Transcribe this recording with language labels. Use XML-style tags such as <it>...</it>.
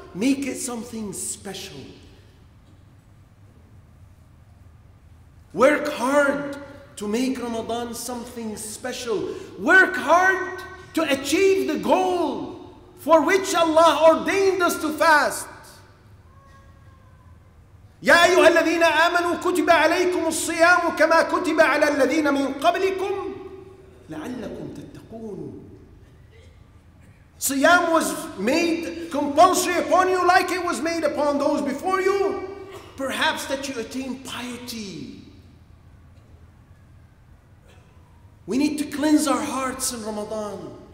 <en>Make it something special. Work hard to make Ramadan something special. Work hard to achieve the goal for which Allah ordained us to fast.</en> <ar>يا أيها الذين آمنوا كتب عليكم الصيام كما كتب على الذين من قبلكم لعلكم تتقون.</ar> <en>Siyam was made compulsory upon you like it was made upon those before you, perhaps that you attain piety. We need to cleanse our hearts in Ramadan.</en>